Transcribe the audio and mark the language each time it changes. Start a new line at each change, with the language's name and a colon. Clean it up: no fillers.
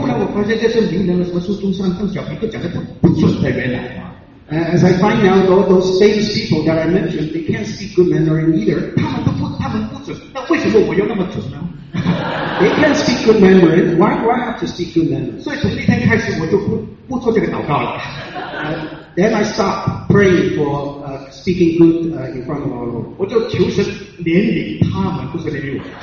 Chinese: 后来我发现这些名人，什么苏中山、邓小平，都讲得不准，在原来。
English: As I find out, all those famous people that I mentioned, they can't speak good Mandarin either.
Chinese: 他们不准，那为什么我要那么准呢？
English: They can't speak good Mandarin. Why do I have to speak good Mandarin?
Chinese: 所以从那天开始，我就不做这个祷告了。
English: Then I stop praying for speaking good in front of our Lord.
Chinese: 我就求神怜悯他们，不是怜悯我。